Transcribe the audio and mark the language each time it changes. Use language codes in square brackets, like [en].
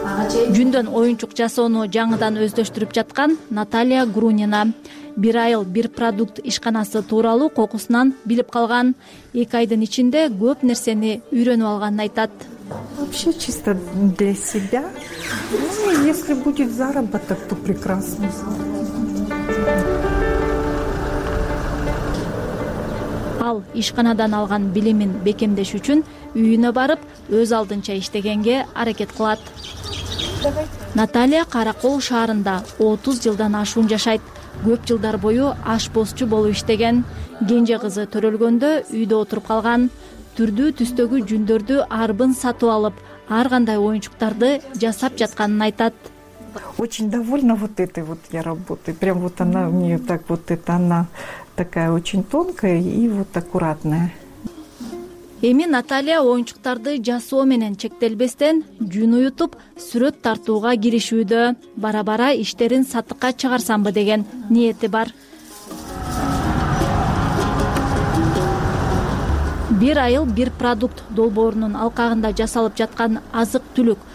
[ky] Жүндөн оюнчук жасоону жаңыдан өздөштүрүп жаткан Наталья Грунина бир айыл бир продукт ишканасы тууралуу кокусунан билип калган. 2 айдын ичинде көп нерсени үйрөнүп алганын айтат. [ru] Вообще чисто для себя. Ну, если будет заработок, то прекрасно. [ky] Ал ишканадан алган билимин бекемдеш үчүн үйүнө барып, өз алдынча иштегенге аракет кылат. Наталья Каракол шаарында 30 жылдан ашуун жашайт. Көп жылдар бою ашпозчу болуп иштеген. Кенже кызы төрөлгөндө үйдө отуруп калган. Түрдүү түстөгү жүндөрдү арбын сатып алып, ар кандай оюнчуктарды жасап жатканын айтат. [ru] Очень довольна вот этой вот я работой. Прям вот она у неё так вот это она такая очень тонкая и вот аккуратная. [ky] Эми Наталья оюнчуктарды жасоо менен чектелбестен жүн уютуп сүрөт тартууга киришүүдө. Бара-бара иштерин сатыкка чыгарсамбы деген ниети бар. Бир айыл бир продукт долбоорунун алкагында жасалып жаткан азык-түлүк,